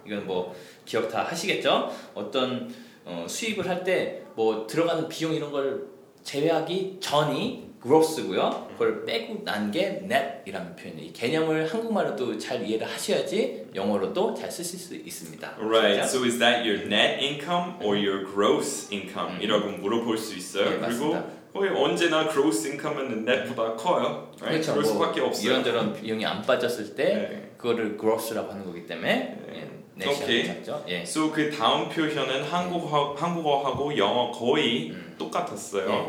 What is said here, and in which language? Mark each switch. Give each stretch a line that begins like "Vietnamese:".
Korean: 이건 뭐 기억 다 하시겠죠? 어떤 수익을 할 때 뭐 들어가는 비용 이런 걸 제외하기 전이 gross고요. 그걸 빼고 난 게 net이라는 표현이에요. 이 개념을 한국말로도 잘 이해를 하셔야지 영어로도 잘 쓰실 수 있습니다.
English: Right.
Korean: 진짜?
English: So is that your net income or your gross income?
Korean: 이라고 물어볼 수 있어요. 네, 그리고 맞습니다. 거의 언제나 gross income은 net보다 커요. Right? 그렇죠. 그럴 수밖에 뭐 없어요. 이런저런 비용이 안 빠졌을 때 네. 그거를 gross라고 하는 거기 때문에 네. 네, 오케이. 예. So 그 다음 표현은 한국어하고 영어 거의 똑같았어요. 예.